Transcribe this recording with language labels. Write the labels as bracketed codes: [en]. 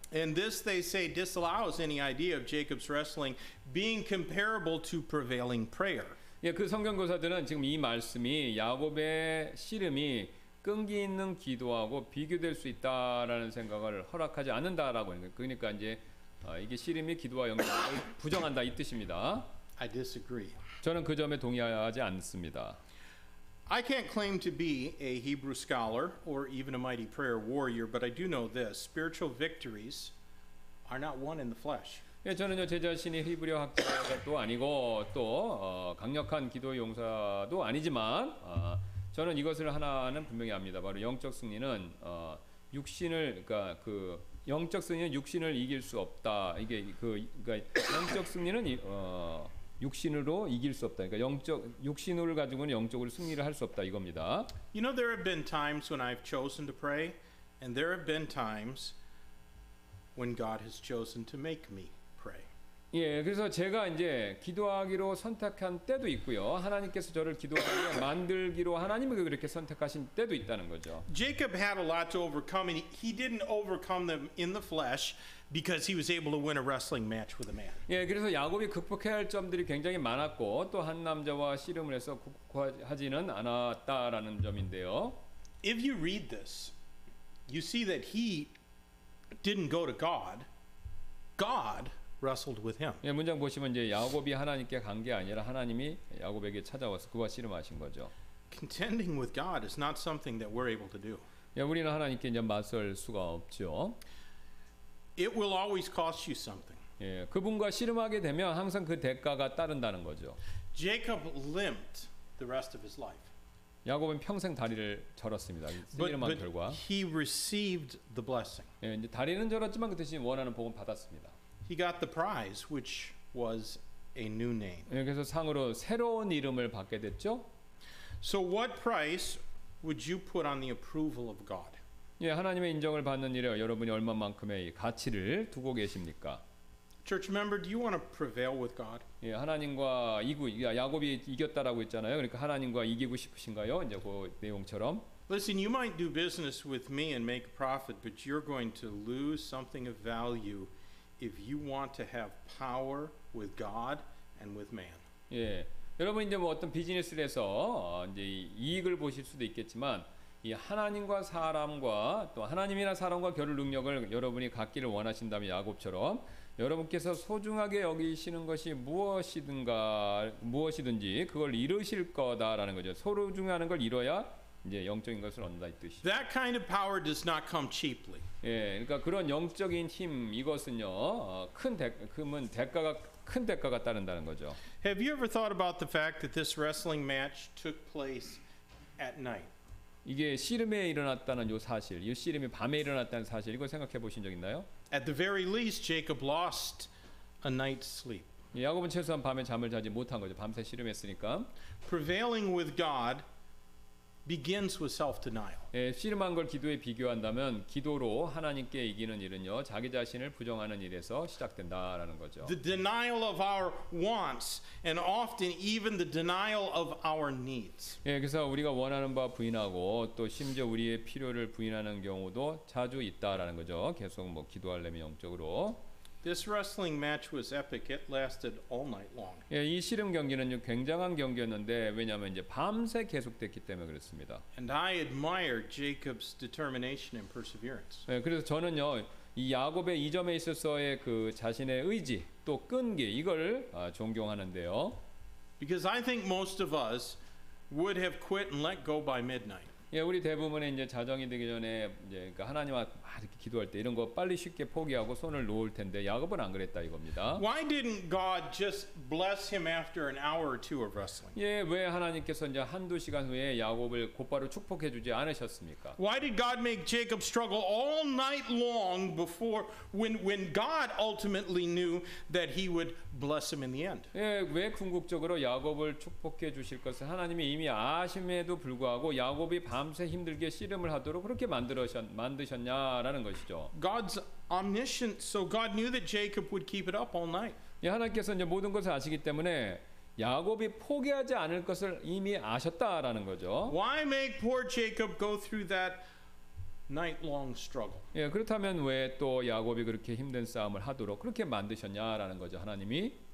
[en] And this they say disallows any idea of Jacob's wrestling being comparable to prevailing prayer. [ko] 예, 그 성경 교사들은 지금 이 말씀이 야곱의 씨름이 끈기 있는 기도하고 비교될 수 있다라는 생각을 허락하지 않는다라고 하는 거예요. 그러니까 이제 이게 씨름이 기도와 연결을 부정한다 이 뜻입니다. [en] I disagree. [ko] 저는 그 점에 동의하지 않습니다. [en] I can't claim to be a Hebrew scholar or even a mighty prayer warrior, but I do know this: spiritual victories are not won in the flesh. [ko] 예, 저는요 제 자신이 히브리어 학자도 아니고 또 강력한 기도 용사도 아니지만. 저는 이것을 하나는 분명히 압니다. 바로 영적 승리는 육신을 그러니까 그 영적 승리는 육신을 이길 수 없다. 이게 그 그러니까 영적 승리는 육신으로 이길 수 없다. 그러니까 영적 육신을 가지고는 영적으로 승리를 할 수 없다 이겁니다. [en] You know there have been times when I've chosen to pray and there have been times when God has chosen to make me. [ko] 예, 그래서 제가 이제 기도하기로 선택한 때도 있고요. 하나님께서 저를 기도하기로 만들기로 하나님을 그렇게 선택하신 때도 있다는 거죠. [en] Jacob had a lot to overcome and he didn't overcome them in the flesh because he was able to win a wrestling match with a man. [ko] 예, 그래서 야곱이 극복해야 할 점들이 굉장히 많았고 또 한 남자와 씨름을 해서 극복하지는 않았다라는 점인데요. [en] If you read this, you see that he didn't go to God. God wrestled with him. [ko] 예, 문장 보시면 이제 야곱이 하나님께 간 게 아니라 하나님이 야곱에게 찾아와서 그와 씨름하신 거죠. [en] Contending with God is not something that we're able to do. [ko] 예, 우리는 하나님께 이제 맞설 수가 없죠. [en] It will always cost you something. [ko] 예, 그분과 씨름하게 되면 항상 그 대가가 따른다는 거죠. [en] Jacob limped the rest of his life. [ko] 야곱은 평생 다리를 절었습니다. 씨름한 결과. [en] But he received the blessing. [ko] 예, 이제 다리는 절었지만 그 대신 원하는 복은 받았습니다. [en] He got the prize, which was a new name. [ko] 그래서 상으로 새로운 이름을 받게 됐죠. [en] So, what price would you put on the approval of God? [ko] 예, 하나님의 인정을 받는 일에 여러분이 얼마만큼의 가치를 두고 계십니까? [en] Church member, do you want to prevail with God? [ko] 예, 하나님과 이기고 야곱이 이겼다라고 했잖아요. 그러니까 하나님과 이기고 싶으신가요? 이제 그 내용처럼. [en] Listen, you might do business with me and make a profit, but you're going to lose something of value. If you want to have power with God and with man. [ko] 예, 여러분 이제 뭐 어떤 비즈니스를 해서 이제 이익을 보실 수도 있겠지만 이 하나님과 사람과 또 하나님이나 사람과 겨룰 능력을 여러분이 갖기를 원하신다면 야곱처럼 여러분께서 소중하게 여기시는 것이 무엇이든지 그걸 이루실 거다라는 거죠. 소중하는 걸 이뤄야 이제 영적인 것을 얻는다 이 뜻이. [en] That kind of power does not come cheaply. [ko] 예, 그러니까 그런 영적인 힘 이것은요 큰 대가가 따른다는 거죠. [en] Have you ever thought about the fact that this wrestling match took place at night? [ko] 이게 씨름에 일어났다는 요 사실, 이 씨름이 밤에 일어났다는 사실 이걸 생각해 보신 적 있나요? [en] At the very least, Jacob lost a night's sleep. [ko] 예, 야곱은 최소한 밤에 잠을 자지 못한 거죠. 밤새 씨름했으니까. [en] Prevailing with God begins with self-denial. [ko] 예, 씨름한 걸 기도에 비교한다면 기도로 하나님께 이기는 일은요 자기 자신을 부정하는 일에서 시작된다라는 거죠. [en] The denial of our wants and often even the denial of our needs. [ko] 예, 그래서 우리가 원하는 바 부인하고 또 심지어 우리의 필요를 부인하는 경우도 자주 있다라는 거죠. 계속 뭐 기도하려면 영적으로. [en] This wrestling match was epic. It lasted all night long. [ko] 예, 이 씨름 경기는 굉장한 경기였는데 왜냐하면 이제 밤새 계속됐기 때문에 그렇습니다. [en] And I admire Jacob's determination and perseverance. [ko] 예, 그래서 저는요 이 야곱의 이 점에 있어서의 그 자신의 의지 또 끈기 이걸 존경하는데요. [en] Because I think most of us would have quit and let go by midnight. [ko] 예, 우리 대부분의 이제 자정이 되기 전에 이제 그 하나님 앞에 이렇게 기도할 때 이런 거 빨리 쉽게 포기하고 손을 놓을 텐데 야곱은 안 그랬다 이겁니다. [en] Why didn't God just bless him after an hour or two of wrestling? [ko] 예, 왜 하나님께서 이제 한두 시간 후에 야곱을 곧바로 축복해 주지 않으셨습니까? [en] Why did God make Jacob struggle all night long before when God ultimately knew that he would bless him in the end? [ko] 예, 왜 궁극적으로 야곱을 축복해 주실 것을 하나님이 이미 아심에도 불구하고 야곱이 밤새 힘들게 씨름을 하도록 그렇게 만드셨냐라는 것이죠. [en] God's omniscient, so God knew that Jacob would keep it up all night. [ko] 예, 하나님께서 이제 모든 것을 아시기 때문에 야곱이 포기하지 않을 것을 이미 아셨다라는 거죠. [en] Why make poor Jacob go through that night-long struggle? [ko] 예, 그렇다면 왜 또 야곱이 그렇게 힘든 싸움을 하도록 그렇게 만드셨냐라는 거죠, 하나님이.